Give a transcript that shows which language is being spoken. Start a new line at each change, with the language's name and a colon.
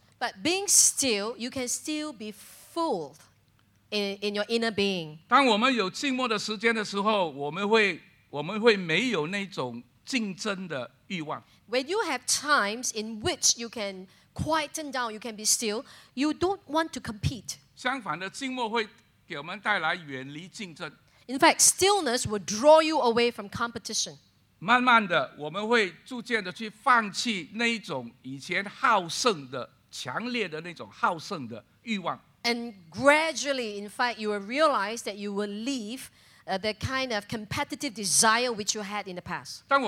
English: But being still, you can still be full. In your inner being.
Chinese: 当我们有静默的时间的时候, 我们会没有那种竞争的欲望。
English: When you have times in which you can quieten down, you can be still, you don't want to compete.
Chinese: 相反的，静默会给我们带来远离竞争。
English: In fact, stillness will draw you away from competition.
Chinese: 慢慢的，我们会逐渐的去放弃那一种以前好胜的、强烈的那种好胜的欲望。
English: And gradually, in fact, you will realize that you will leave the kind of competitive desire which you had in the past.